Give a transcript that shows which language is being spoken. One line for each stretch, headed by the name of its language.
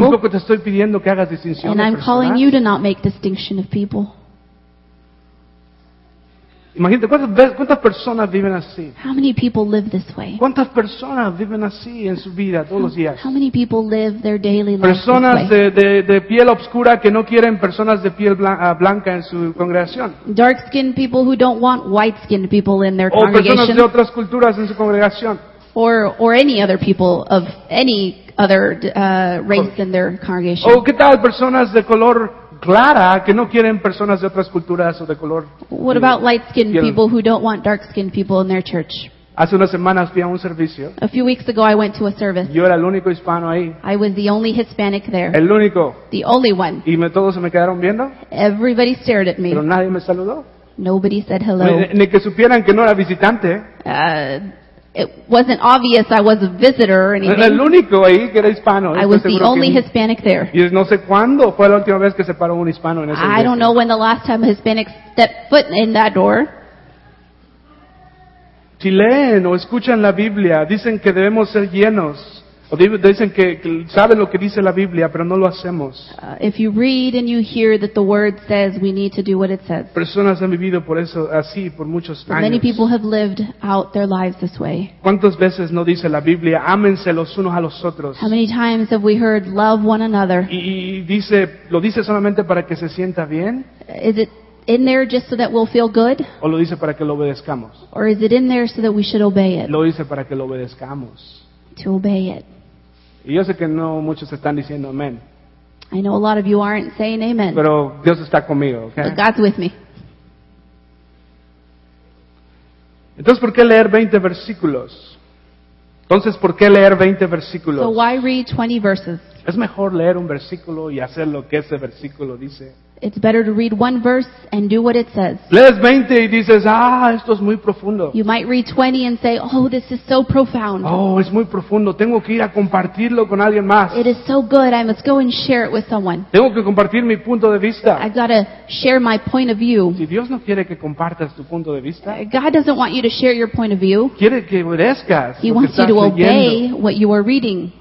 Spanish: Yo tampoco te estoy pidiendo que hagas distinción de personas.
English: And I'm calling you to not make distinction of people.
Spanish: Imagínate cuántas personas viven así.
English: How many people live this way?
Spanish: ¿Cuántas personas viven así en su vida todos los días?
English: How many people live their daily life?
Spanish: Personas de piel oscura que no quieren personas de piel blanca en su congregación.
English: Dark-skinned people who don't want white-skinned people in their congregation.
Spanish: O personas de otras culturas en su congregación.
English: Or any other people of any other race in their congregation.
Spanish: O qué tal personas de color clara que no quieren personas de otras culturas o de color.
English: What about light-skinned people who don't want dark-skinned people in their church?
Spanish: Hace unas semanas fui a un servicio.
English: A few weeks ago I went to a service.
Spanish: Yo era el único hispano ahí.
English: I was the only Hispanic there.
Spanish: El único.
English: The only one.
Spanish: Y todos se me quedaron viendo.
English: Everybody stared at me.
Spanish: Pero nadie me saludó.
English: Nobody said hello.
Spanish: Ni que supieran que no era visitante.
English: It wasn't obvious I was a visitor or anything.
Spanish: El único ahí que era hispano.
English: I was the only Hispanic there.
Spanish: Y no sé cuándo fue la última vez que se paró un hispano en ese
English: lugar. I don't know when the last time a Hispanic stepped foot in that door.
Spanish: Si leen o escuchan la Biblia, dicen que debemos ser llenos. O dicen que saben lo que dice la Biblia, pero no lo hacemos.
English: If you read and you hear that the word says we need to do what it says.
Spanish: Personas han vivido por eso así por muchos años.
English: Many people have lived out their lives this way.
Spanish: ¿Cuántas veces no dice la Biblia, ámense los unos a los otros?
English: How many times have we heard love one another?
Spanish: Y dice, lo dice solamente para que se sienta bien?
English: Is it in there just so that we'll feel good?
Spanish: ¿O lo dice para que lo obedezcamos?
English: Or is it in there so that we should obey it?
Spanish: Lo dice para que lo obedezcamos.
English: To obey it.
Spanish: Y yo sé que no muchos están diciendo amén.
English: I know a lot of you aren't saying amen.
Spanish: Pero Dios está conmigo, okay?
English: But God's with me.
Spanish: Entonces, ¿por qué leer 20 versículos? Entonces, ¿por qué leer 20 versículos?
English: So why read 20 verses?
Spanish: Es mejor leer un versículo y hacer lo que ese versículo dice.
English: It's better to read one verse and do what it says.
Spanish: Lees 20 y dices, ah, esto es muy profundo.
English: You might read 20 and say, oh, this is so profound.
Spanish: Oh, es muy profundo. Tengo que ir a compartirlo con alguien más.
English: It is so good. I must go and share it with someone.
Spanish: Tengo que compartir mi punto de vista.
English: I gotta share my point of view.
Spanish: Si Dios no quiere que compartas tu punto de vista,
English: God doesn't want you to share your point of view.
Spanish: Quiere que obedezcas.
English: He wants you to obey what you are reading.